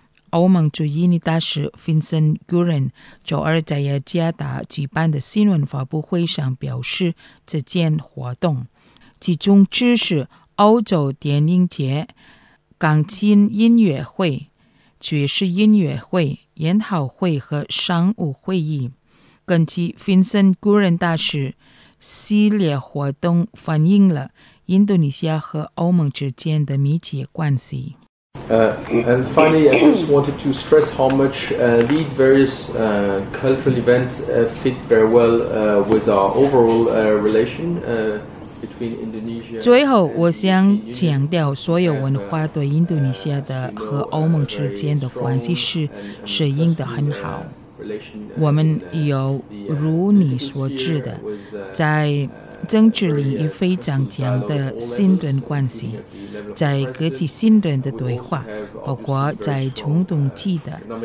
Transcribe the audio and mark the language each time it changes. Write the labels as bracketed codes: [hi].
[zh] 欧盟驻印尼大使 Vincent Guerin 周二在雅加达举办的新闻发布会上表示，这件活动其中支持欧洲电影节、钢琴音乐会、爵士音乐会、研讨会和商务会议。根据 Vincent Guerin 大使，系列活动反映了印度尼西亚和欧盟之间的密切关系。 [en] And finally, I just wanted to stress how much these various cultural events fit very well with our overall relation between Indonesia. [zh] 最后，我想强调，所有文化对印度尼西亚的和欧盟之间的关系是适应的很好。们有如你所知的在政治里有非常强的信任关系，在各级信任的对话，包括在中东期的。